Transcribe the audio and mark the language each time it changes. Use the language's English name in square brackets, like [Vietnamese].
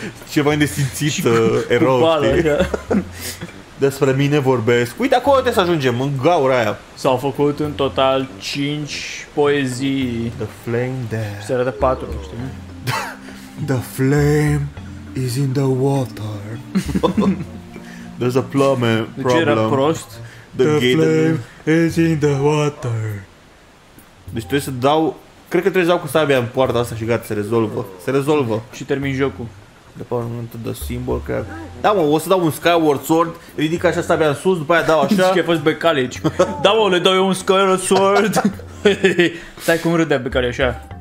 [Romanian] Ceva indesimțit erou. Despre mine vorbesc. Uite, acolo trebuie să ajungem, în gaura aia. S-au făcut în total 5 poezii. [English] The flame there. [Romanian] Se arată 4, știi? [English] The flame is in the water. There's a plumber problem. [Romanian] Deci era prost? [English] The flame is in the water. [Romanian] Deci trebuie să dau... Cred că trebuie să dau cu sabia în poarta asta și gata, se rezolvă. Se rezolvă. Și termin jocul. De pe momentă de simbol care... Da mă, o să dau un Skyward Sword. Ridic așa sabia în sus, după aia dau așa. Și că ai fost Becalici. Da mă, le dau eu un Skyward Sword. Stai cum râdea Becalici așa.